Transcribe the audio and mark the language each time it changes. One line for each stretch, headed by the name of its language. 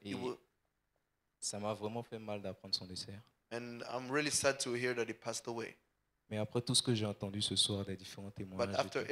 French: Et ça m'a vraiment fait mal d'apprendre son décès.
English: And I'm really sad to hear that he passed away.
French: Mais après tout ce que j'ai entendu ce soir des différents témoignages,